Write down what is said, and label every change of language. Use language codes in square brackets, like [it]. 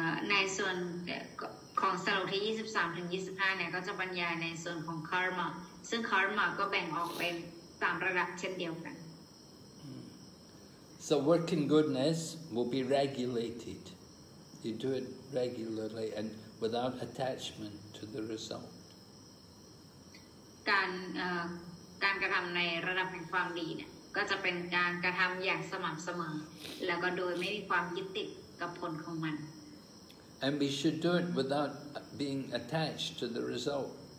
[th] ในส่วนของสโลกที่23ถึง25เนี่ยก็จะบรรยายในส่วนของคาร์มาซึ่งคาร์มาก็แบ่งออกเป็น3ระดับเช่นเดียวกัน [en] So working goodness will be regulated you do it regularly and without attachment to the result [th] การกระทำในระดับแห่งความดีเนี่ยก็จะเป็นการกระทำอย่างสม่ำเสมอแล้วก็โดยไม่มีความยึดติดกับผลของมัน [en] And we should do it without being attached to the result.